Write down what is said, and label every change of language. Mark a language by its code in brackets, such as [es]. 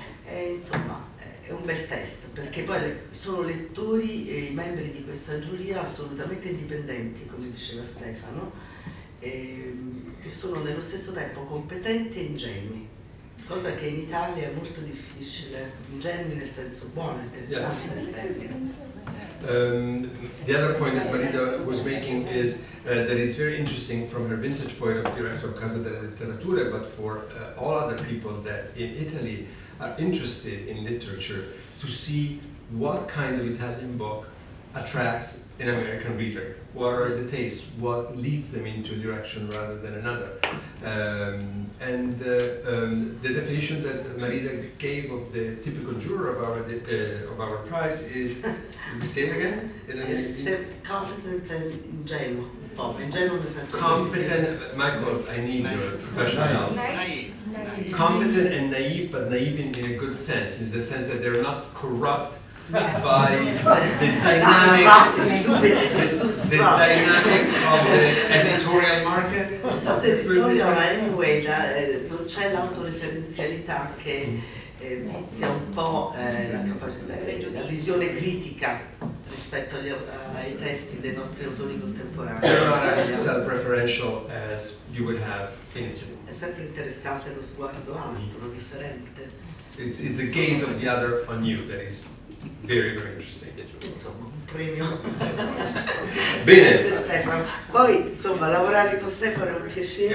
[it] Insomma, è un bel test, perché poi sono lettori e i membri di questa giuria assolutamente indipendenti, come diceva Stefano, che sono nello stesso tempo competenti e ingenui, cosa che in Italia è molto difficile, ingenui nel senso buono, interessante del termine. [en] The other point that Marina was making is that it's very interesting from her vintage point of director of Casa della Letteratura, but for all other people that in Italy are interested in literature, to see what kind of Italian book attracts an American reader, what are the tastes, what leads them into a direction rather than another. The definition that Marina gave of the typical juror of our prize is, say it again? Competent and ingenuo. Competent, Michael, I need naive. Your professional help. Naive. Competent and naive, but naive in a good sense, in the sense that they're not corrupt by the dynamics of the editorial market. [it] Anyway, non c'è l'autoreferenzialità che vizia un po' la visione critica rispetto ai testi dei nostri autori contemporanei. [en] You're not as self-referential as you would have in Italy. [it] È sempre interessante lo sguardo altro, differente. [en] It's the gaze of the other on you that is very, very interesting. [it] Insomma, un premio. Bene. Grazie Stefano. Poi, insomma, lavorare con Stefano è un piacere.